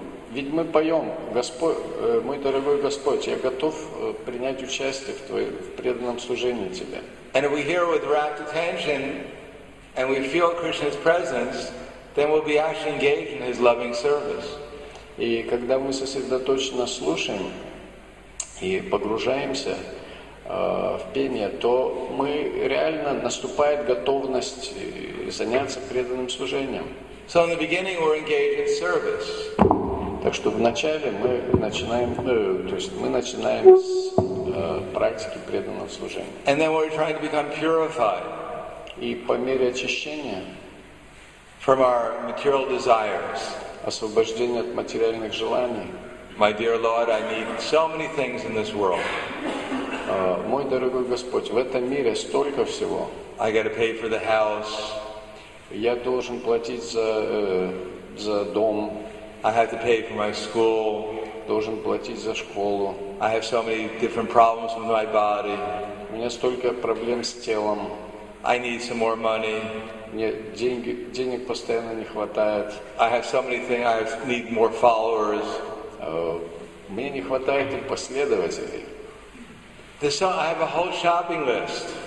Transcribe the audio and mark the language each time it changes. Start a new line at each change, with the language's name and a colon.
Russian: Ведь мы поем, Господь, мой дорогой Господь, я готов принять участие в Твоем в преданном служении Тебе.
English: And if we hear with rapt attention, and we feel Krishna's presence, then we'll be actually engaged in His loving service.
Russian: И когда мы сосредоточенно слушаем и погружаемся в пение, то мы реально наступает готовность заняться преданным служением.
English: So in the beginning we're engaged in service.
Russian: Так что вначале мы начинаем, то есть мы начинаем с практики преданного служения.
English: And then we're trying to become purified.
Russian: И по мере очищения
English: from our material desires.
Russian: Освобождение от материальных желаний.
English: My dear Lord, I need so many things in this world.
Russian: Мой дорогой Господь, в этом мире столько всего.
English: I gotta pay for the house.
Russian: Я должен платить за дом.
English: I have to pay for my school.
Russian: Должен платить за школу.
English: I have so many different problems with my body.
Russian: У меня столько проблем с телом.
English: I need some more money.
Russian: Мне денег постоянно не хватает.
English: I have so many things. I need more followers.
Russian: Мне не хватает и последователей.
English: I have a whole shopping list.